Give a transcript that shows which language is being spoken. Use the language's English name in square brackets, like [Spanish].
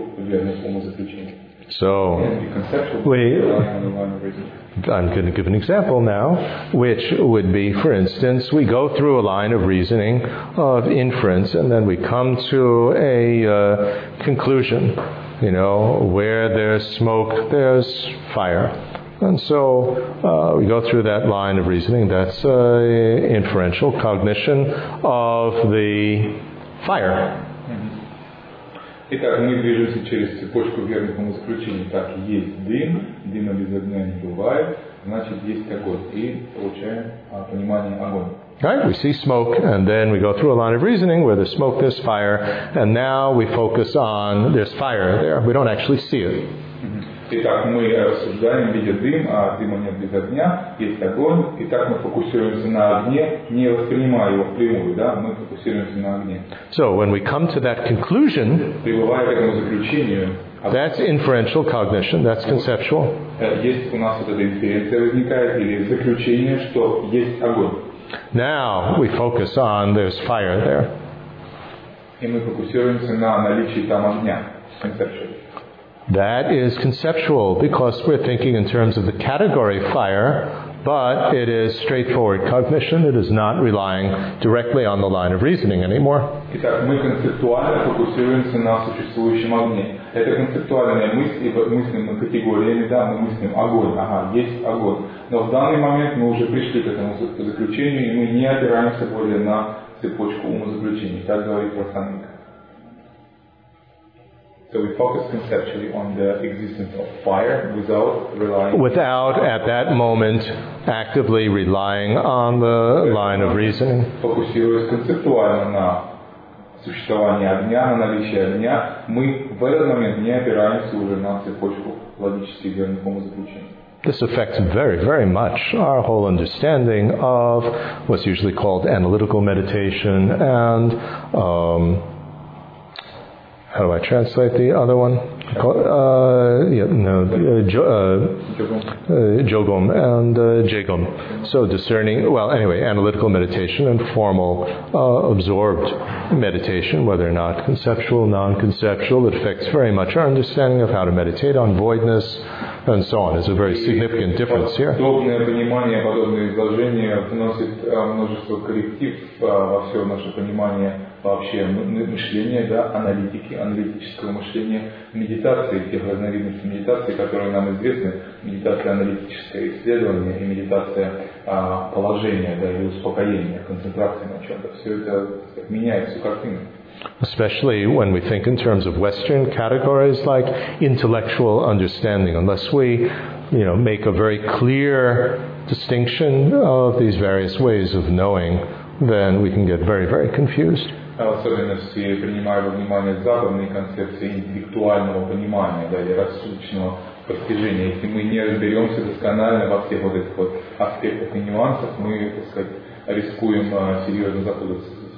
[English] So, I'm going to give an example now, which would be, for instance, we go through a line of reasoning of inference, and then we come to a conclusion, you know, where there's smoke, there's fire. And so, we go through that line of reasoning, that's inferential cognition of the fire. [Russian] Итак, мы движемся через цепочку верных умозаключений. Так, есть дым, дыма без огня не бывает, значит, есть огонь. И получаем понимание огонь. [English] Right, we see smoke, and then we go through a line of reasoning where there's smoke, there's fire, and now we focus on there's fire there. We don't actually see it. [Russian] Итак, мы рассуждаем, видя дым, а дыма нет без огня, есть огонь. Итак, мы фокусируемся на огне, не воспринимая его впрямую, да, мы фокусируемся на огне. [English] So, when we come to that conclusion, [Russian] прибывая к этому заключению, [English] that's inferential cognition, that's conceptual. [Russian] Есть у нас вот эта инференция возникает, или заключение, что есть огонь. [English] Now, we focus on there's fire there. [Russian] И мы фокусируемся на наличии там огня, [English] conceptually. That is conceptual because we're thinking in terms of the category fire But it is straightforward cognition. It is not relying directly on the line of reasoning anymore. [Russian] Итак, мы концептуально фокусируемся на существующем огне. Это концептуальные мысли, мыслим на категориями, да, мы мыслим огонь, ага, есть огонь. Но в данный момент мы уже пришли к этому заключению, и мы не опираемся более на цепочку умозаключений. Так говорит Васанника. [English] So we focus conceptually on the existence of fire without relying... Without, at that moment, actively relying on the line of reasoning. [Russian] Фокусируясь концептуально на существование огня, на наличие огня, мы в этот момент не опираемся уже на цепочку логически верных умозаключений. [English] This affects very, very much our whole understanding of what's usually called analytical meditation and... how do I translate the other one? Jogom and Jegom. So discerning, well, anyway, analytical meditation and formal absorbed meditation, whether or not conceptual, non-conceptual, it affects very much our understanding of how to meditate on voidness and so on. It's a very significant difference here. [Russian] Подобное понимание, подобное изложение вносит множество корректив во все наше понимание вообще мышления, да, аналитики, аналитического мышления, медитации, тех разновидностей медитации, которые нам известны, медитация аналитическое исследование и медитация положения, да, и успокоения, концентрации на чем-то. Все это меняет всю картину. [English] Especially when we think in terms of Western categories like intellectual understanding, unless we, you know, make a very clear distinction of these various ways of knowing, then we can get very, very confused. [Russian] Особенности, принимая во внимание западные концепции интеллектуального понимания, да, или рассудочного постижения. Если мы не разберемся досконально во всех вот этих вот аспектах и нюансах, мы, так сказать, рискуем серьезно запутаться.